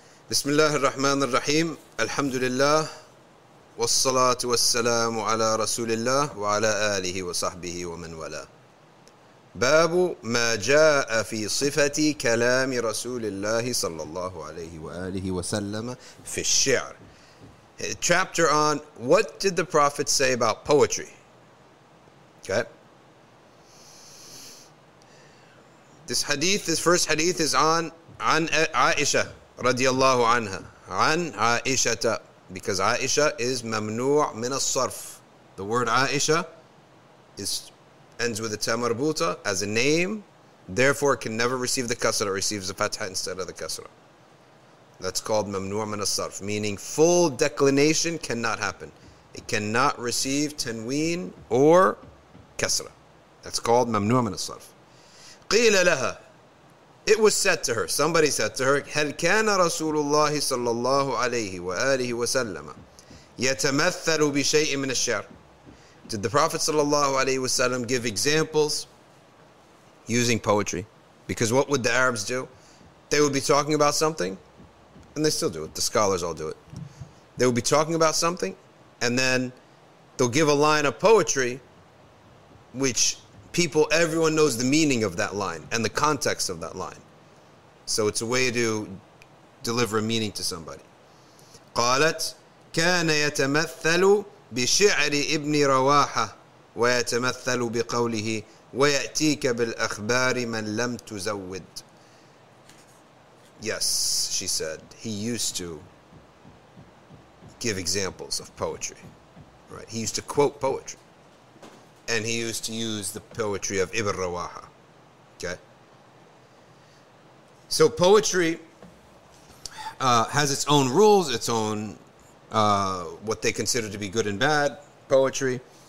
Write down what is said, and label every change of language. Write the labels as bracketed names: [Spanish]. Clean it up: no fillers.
[Arabic] بسم الله الرحمن الرحيم الحمد لله والصلاة والسلام على رسول الله وعلى آله وصحبه ومن والاه باب ما جاء في صفة كلام رسول الله صلى الله عليه وآله وسلم في الشعر. [English] Chapter on what did the prophet say about poetry? Okay. This hadith, this first hadith is on Aisha [Arabic] رضي الله عنها عن عائشة, [English] because عائشة is ممنوع من الصرف. The word عائشة is ends with a تمربوطة as a name, therefore it can never receive the كسرة, receives the فتحة instead of the كسرة. That's called ممنوع من الصرف, meaning full declination cannot happen. It cannot receive تنوين or كسرة. That's called [Arabic] ممنوع من الصرف. قيل لها, [English] it was said to her, [Arabic] somebody said to her, هل كان رسول الله صلى الله عليه وآله وسلم يتمثل بشيء من الشعر? [English] Did the Prophet [Arabic] صلى الله عليه وسلم [English] give examples using poetry? Because what would the Arabs do? They would be talking about something, and they still do it. The scholars all do it. They would be talking about something, and then they'll give a line of poetry, which people, everyone knows the meaning of that line and the context of that line. So it's a way to deliver a meaning to somebody. [Arabic] قالت كان يتمثل بشعر ابن رواحة ويتمثل بقوله ويأتيك بالأخبار من لم تزود. [English] Yes, she said, he used to give examples of poetry. Right? He used to quote poetry. And he used to use the poetry of Ibn Rawaha. Okay? So poetry has its own rules, its own what they consider to be good and bad poetry.